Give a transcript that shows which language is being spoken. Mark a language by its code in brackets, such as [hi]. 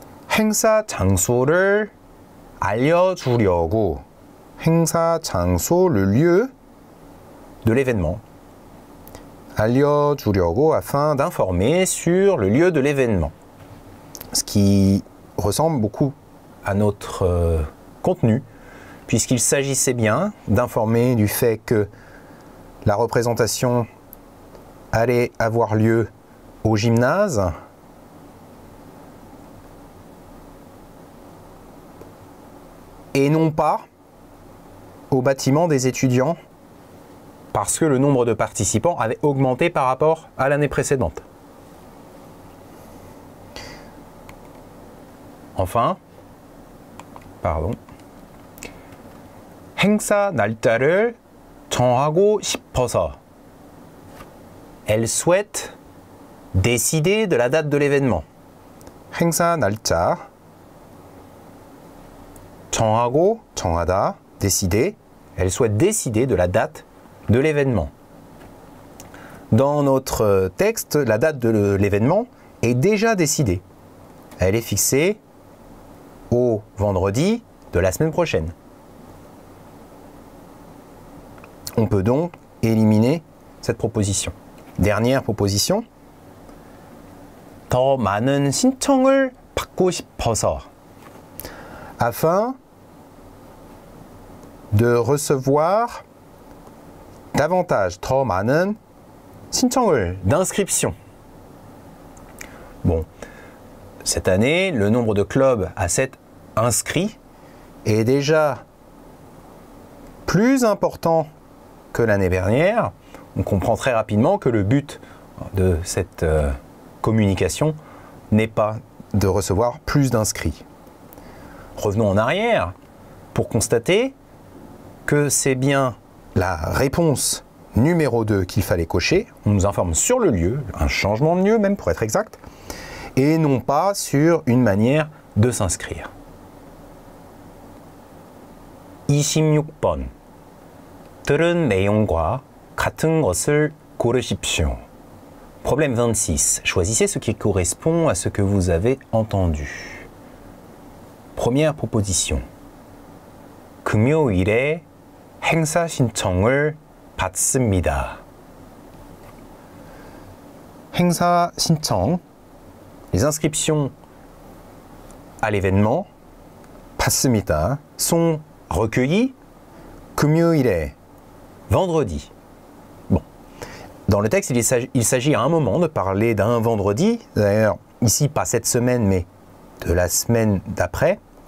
[ko] 행사 장소를 알려주려고. 행사 장소, [fr] le lieu de l'événement. [ko] 알려주려고 [fr] afin d'informer sur le lieu de l'événement. Ce qui ressemble beaucoup à notre contenu, puisqu'il s'agissait bien d'informer du fait que la représentation allait avoir lieu au gymnase. Et non pas au bâtiment des étudiants, parce que le nombre de participants avait augmenté par rapport à l'année précédente. Enfin, [ko] 행사 날짜를 정하고 싶어서. [fr] Elle souhaite décider de la date de l'événement. [ko] 행사 날짜. 정하고, 정하다, [fr] décider. Elle souhaite décider de la date de l'événement. Dans notre texte, la date de l'événement est déjà décidée. Elle est fixée au vendredi de la semaine prochaine. On peut donc éliminer cette proposition. Dernière proposition. [ko] 더 많은 신청을 받고 싶어서. [fr] Afin de recevoir davantage, [ko] 더 많은 신청을, [fr] d'inscription. Bon, cette année, le nombre de clubs à 7 inscrits est déjà plus important que l'année dernière. On comprend très rapidement que le but de cette communication n'est pas de recevoir plus d'inscrits. Revenons en arrière pour constater que c'est bien la réponse numéro 2 qu'il fallait cocher. On nous informe sur le lieu, un changement de lieu même pour être exact, et non pas sur une manière de s'inscrire. [ko] 26번. 들은 내용과 같은 것을 고르십시오. [fr] Problème 26. Choisissez ce qui correspond à ce que vous avez entendu. Première proposition. [ko] 금요일에 행사 신청을 받습니다. 행사 신청. [fr] Les inscriptions à l'événement [ko] 받습니다. [fr] Sont recueillies [ko] 금요일에 [fr] vendredi. Dans le texte, il s'agit à un moment de parler d'un vendredi, d'ailleurs, ici, pas cette semaine, mais de la semaine d'après.